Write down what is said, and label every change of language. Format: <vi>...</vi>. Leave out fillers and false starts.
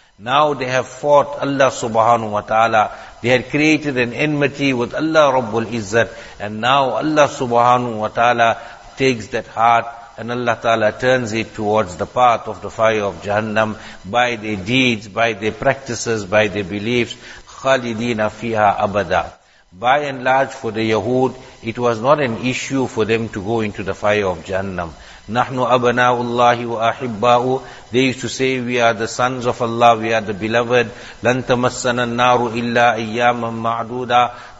<en>Now they have fought Allah Subhanahu Wa Ta'ala. They had created an enmity with Allah Rabbul Izzat. And now Allah Subhanahu Wa Ta'ala takes that heart and Allah Ta'ala turns it towards the path of the fire of Jahannam by their deeds, by their practices, by their beliefs.</en> <ar>خَالِدِينَ فِيهَا abada.</ar> <en>By and large for the Yahud, it was not an issue for them to go into the fire of Jahannam.</en> <ar>نَحْنُ أَبْنَاءُ اللَّهِ وَأَحِبَّاءُ.</ar> <en>They used to say, we are the sons of Allah, we are the beloved.</en> <ar>لَنْ تَمَسَّنَ النَّارُ إِلَّا أَيَّامًا مَعْدُودًا.</ar>